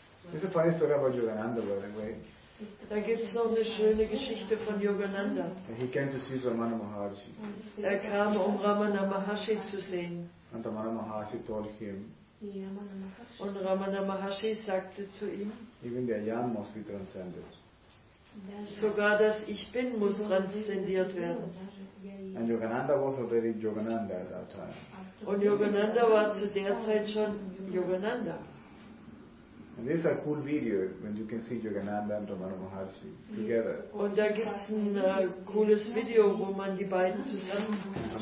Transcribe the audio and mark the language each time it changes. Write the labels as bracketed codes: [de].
[en] There's a funny story about Yogananda, by the way. [de] Da gibt's noch eine schöne Geschichte von Yogananda. [en] And he came to see Ramana Maharshi. [de] Er kam, um Ramana Maharshi zu sehen. [en] And Ramana Maharshi told him. [de] Und Ramana Maharshi sagte zu ihm. [en] Even the Ayam must be transcended. [de] Sogar das Ich Bin muss transzendiert werden. [en] And Yogananda was already Yogananda at that time. [de] Und Yogananda war zu der Zeit schon Yogananda. [en] And this is a cool video when you can see Yogananda and Ramana Maharshi together. [de] Und da gibt's ein cooles Video, wo man die beiden zusammen sehen kann.